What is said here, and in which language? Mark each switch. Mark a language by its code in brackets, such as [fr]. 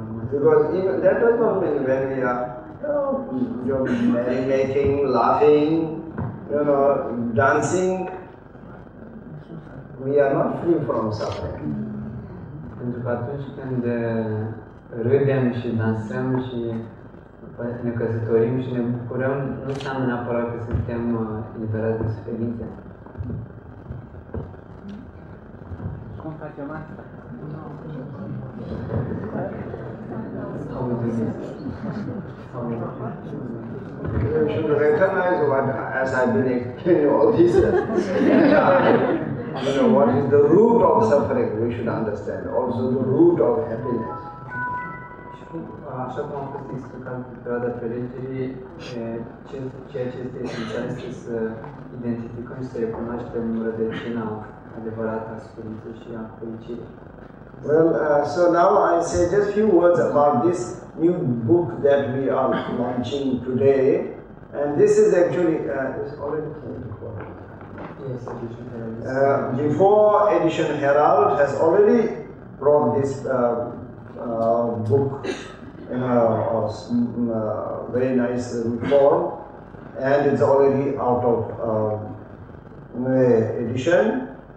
[en] Because even that does not mean when we are, you know, merrymaking, laughing, you know, dancing, we are not free from suffering. [ro] Pentru că atunci când râdem și dansăm și ne căsătorim și ne bucurăm, nu înseamnă neapărat că suntem eliberați de suferință. Cum facem asta? [en] You should recognize what, as I've been explaining all this, you know, what is the root of suffering, we should understand, also the root of happiness. [ro] Așa cum am fost explicat pe perioada fericirii, ceea ce este esențial este să identificăm și să recunoaștem rădăcina adevărată a suferinței și a fericirii. [en] Well, so now I say just few words about this new book that we are launching today, and this is actually it's already came before. Yes, edition herald. Before edition herald has already brought this book in a very nice form, and it's already out of edition.